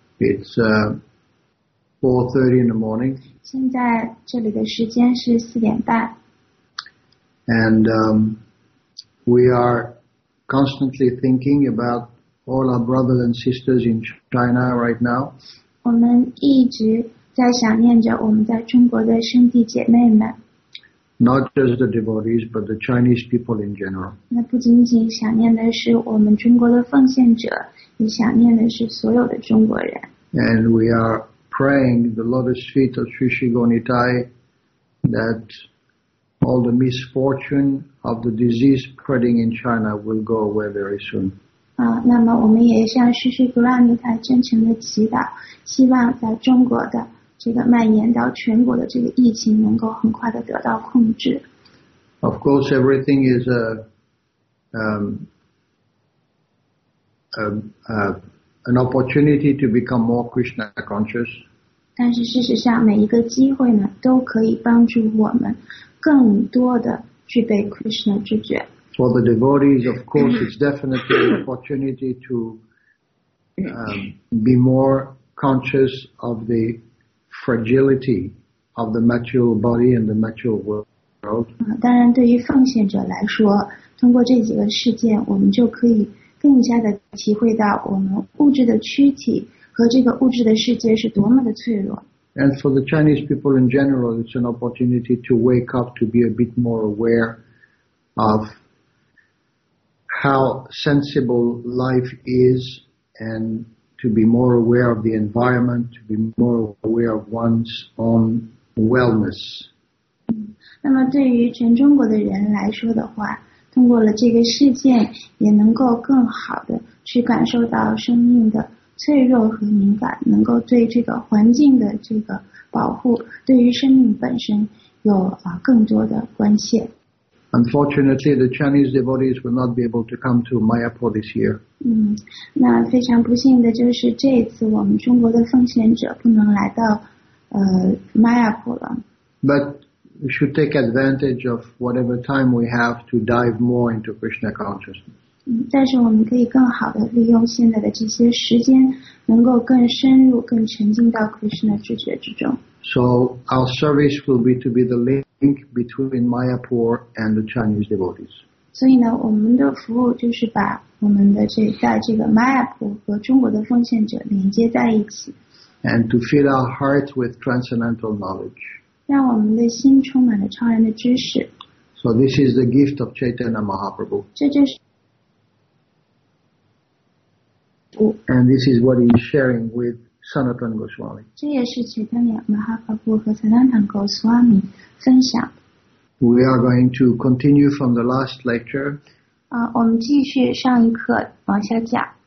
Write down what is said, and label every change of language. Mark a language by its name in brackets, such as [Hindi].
[English] It's 4:30 in the morning. [Chinese] 现在这里的时间是4:30。 [English] And we are constantly thinking about all our brothers and sisters in China right now. [Chinese] 我们一直在想念着我们在中国的兄弟姐妹们。 [English] Not just the devotees, but the Chinese people in general. [Chinese] 那不仅仅想念的是我们中国的奉献者，也想念的是所有的中国人。 [English] And we are praying the lotus feet of Sri Sri Gonitai that all the misfortune of the disease spreading in China will go away very soon. [Chinese] 那么我们也向Sri Sri Gonitai真诚的祈祷，希望在中国的这个蔓延到全国的这个疫情能够很快的得到控制。 [English] Of course, everything is an opportunity to become more Krishna conscious. [Chinese] 但是事实上，每一个机会呢，都可以帮助我们更多的具备 Krishna 知觉。 [English] For the devotees, of course, it's definitely an opportunity to be more conscious of the fragility of the material body and the material world. [Chinese] 当然，对于奉献者来说，通过这几个事件，我们就可以更加的体会到我们物质的躯体和这个物质的世界是多么的脆弱。 [English] And for the Chinese people in general, it's an opportunity to wake up to be a bit more aware of how sensible life is and to be more aware of the environment, to be more aware of one's own wellness. [Chinese] 那么对于全中国的人来说的话，通过了这个事件也能够更好的去感受到生命的脆弱和敏感，能够对这个环境的这个保护，对于生命本身有更多的关切。 [English] Unfortunately, the Chinese devotees will not be able to come to Mayapur this year. [Chinese] 那非常不幸的就是这一次我们中国的奉献者不能来到Mayapur 了。 [English] But we should take advantage of whatever time we have to dive more into Krishna consciousness. [Chinese] 但是我们可以更好的利用现在的这些时间，能够更深入、更沉浸到 Krishna 知觉之中。 [English] So our service will be to be the link between Mayapur and the Chinese devotees. [Chinese] 所以呢，我们的服务就是把我们的在这个 Mayapur 和中国的奉献者连接在一起。 [English] And to fill our hearts with transcendental knowledge. [Chinese] 让我们的心充满了超然的知识。 [English] So this is the gift of Chaitanya Mahaprabhu. [Chinese] 这就是。 [English] And this is what he's sharing with Sanatana Goswami. [Chinese] 这也是 Chaitanya Mahaprabhu 和 Sanatana Goswami 分享。 [English] We are going to continue from the last lecture. [Chinese] 我们继续上一课往下讲。